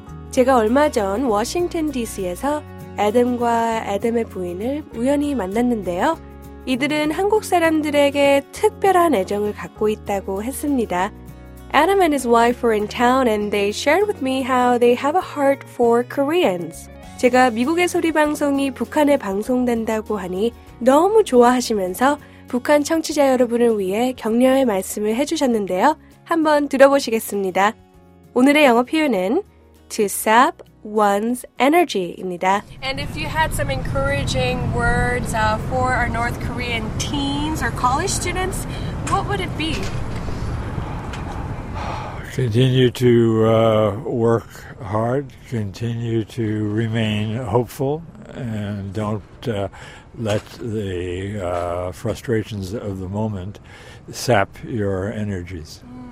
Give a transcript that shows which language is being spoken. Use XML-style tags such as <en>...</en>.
<ko>제가 얼마 전 워싱턴 DC에서 애덤과 애덤의 부인을 우연히 만났는데요. 이들은 한국 사람들에게 특별한 애정을 갖고 있다고 했습니다.</ko> <en>Adam and his wife were in town and they shared with me how they have a heart for Koreans.</en> <ko>제가 미국의 소리 방송이 북한에 방송된다고 하니 너무 좋아하시면서 북한 청취자 여러분을 위해 격려의 말씀을 해주셨는데요. 한번 들어보시겠습니다. 오늘의 영어 표현은</ko> <en>to sap one's energy</en> <ko>입니다.</ko> <en>And if you had some encouraging words for our North Korean teens or college students, what would it be? Continue to work hard, continue to remain hopeful, and don't let the frustrations of the moment sap your energies.</en>